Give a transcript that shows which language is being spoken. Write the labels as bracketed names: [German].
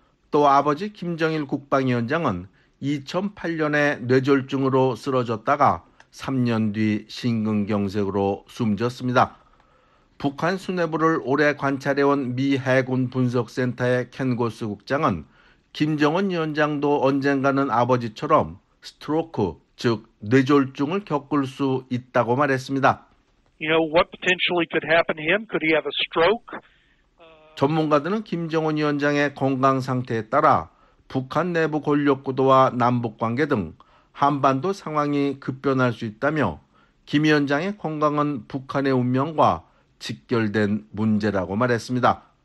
[Korean] 또 아버지 김정일 국방위원장은 2008년에 뇌졸중으로 쓰러졌다가 3년 뒤 심근경색으로 숨졌습니다. 북한 수뇌부를 오래 관찰해온 미 해군 분석센터의 켄고스 국장은 김정은 위원장도 언젠가는 아버지처럼 스트로크, 즉 뇌졸중을 겪을 수 있다고 말했습니다. [English] You know what potentially could happen to him? Could he have a stroke? [Korean] 전문가들은 김정은 위원장의 건강 상태에 따라 북한 내부 권력 구도와 남북 관계 등 한반도 상황이 급변할 수 있다며 김 위원장의 건강은 북한의 운명과 직결된 문제라고 말했습니다.